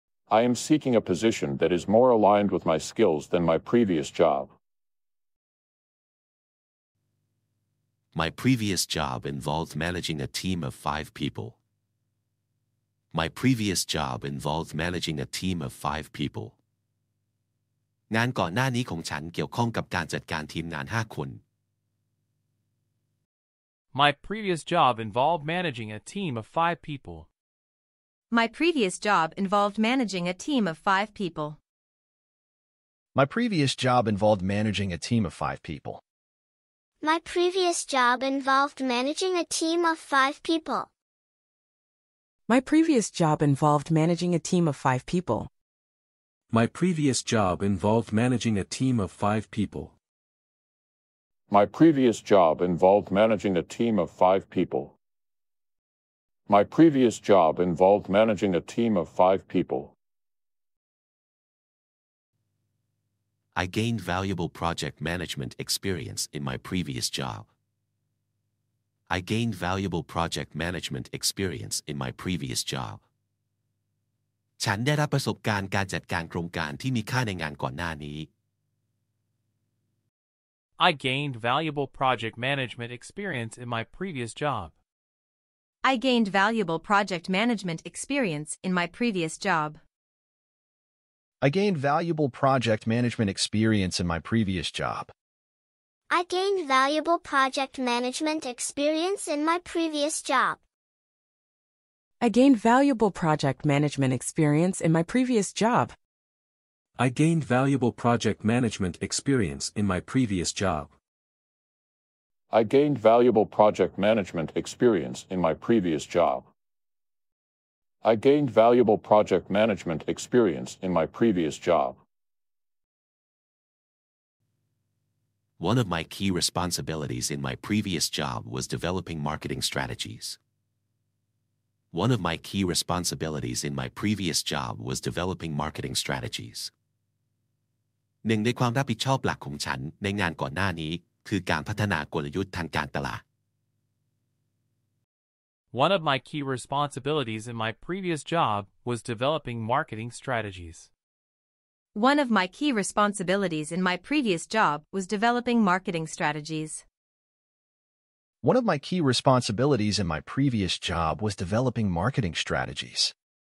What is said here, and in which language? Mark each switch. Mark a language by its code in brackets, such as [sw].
[en] I am seeking a position that is more aligned with my skills than my previous job. My previous job involved managing a team of 5 people. My previous job involved managing a team of 5 people. [th] งานก่อนหน้านี้ของฉันเกี่ยวข้องกับการจัดการทีมงาน5 คน [en] My previous job involved managing a team of 5 people. My previous job involved managing a team of 5 people. My previous job involved managing a team of 5 people. My previous job involved managing a team of 5 people. My previous job involved managing a team of 5 people. My previous job involved managing a team of 5 people. My previous job involved managing a team of 5 people. My previous job involved managing a team of 5 people. I gained valuable project management experience in my previous job. I gained valuable project management experience in my previous job. [th] ฉันได้รับประสบการณ์การจัดการโครงการที่มีค่าในงานก่อนหน้านี้ [en] I gained valuable project management experience in my previous job. I gained valuable project management experience in my previous job. I gained valuable project management experience in my previous job. I gained valuable project management experience in my previous job. I gained valuable project management experience in my previous job. I gained valuable project management experience in my previous job. I gained valuable project management experience in my previous job. I gained valuable project management experience in my previous job. One of my key responsibilities in my previous job was developing marketing strategies. One of my key responsibilities in my previous job was developing marketing strategies. [th] หนึ่งในความรับผิดชอบหลักของฉันในงานก่อนหน้านี้คือการพัฒนากลยุทธ์ทางการตลาด [en] One of my key responsibilities in my previous job was developing marketing strategies. One of my key responsibilities in my previous job was developing marketing strategies. One of my key responsibilities in my previous job was developing marketing strategies.